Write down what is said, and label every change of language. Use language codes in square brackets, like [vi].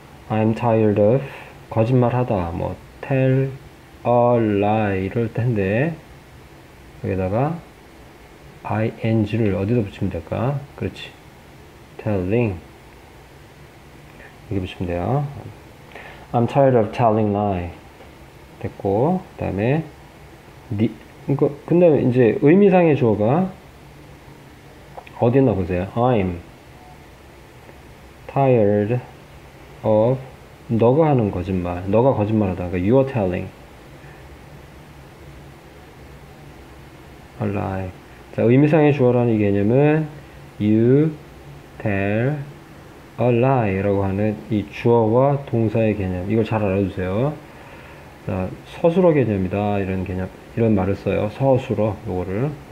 [en] I'm tired of 거짓말하다. [ko] 뭐 [en] tell a lie [ko] 이럴 텐데 여기다가 ing를 어디다 붙이면 될까? 그렇지. telling 이렇게 붙이면 돼요. [en] I'm tired of telling lie [ko] 됐고, 그다음에 니 그러니까 근데 이제 의미상의 주어가 어디 있나 보세요. [en] I'm tired of [ko] 너가 하는 거짓말, 너가 거짓말하다. 그러니까 [en] you are telling a lie. [ko] 자, 의미상의 주어라는 이 개념은 [en] you tell a lie [ko] 라고 하는 이 주어와 동사의 개념. 이걸 잘 알아주세요. 자, 서술어 개념이다. 이런 개념, 이런 말을 써요. 서술어, 요거를.